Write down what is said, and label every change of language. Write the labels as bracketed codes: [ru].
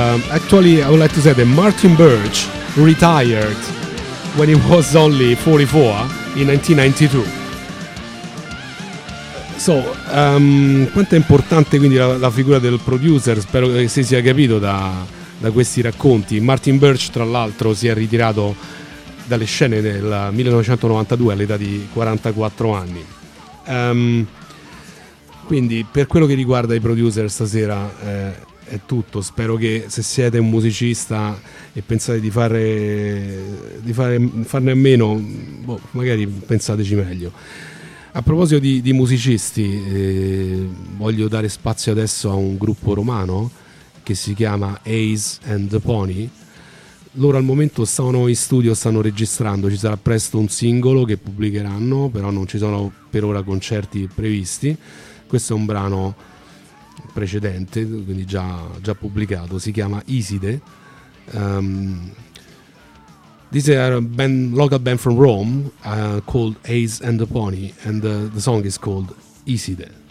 [en] Actually, I would like to say that Martin Birch retired when he was only 44 in 1992. [it] So, quanto è importante quindi la figura del producer, spero che si sia capito da questi racconti. Martin Birch, tra l'altro, si è ritirato dalle scene nel 1992 all'età di 44 anni. Quindi, per quello che riguarda i producer stasera, è tutto. Spero che, se siete un musicista e pensate di farne a meno, boh, magari pensateci meglio. A proposito di musicisti, voglio dare spazio adesso a un gruppo romano che si chiama Ace and the Pony. Loro al momento sono in studio, stanno registrando, ci sarà presto un singolo che pubblicheranno, però non ci sono per ora concerti previsti. Questo è un brano precedente, quindi già pubblicato, si chiama Iside. [en] This is a band, local band from Rome, called Ace and the Pony, and the song is called Iside.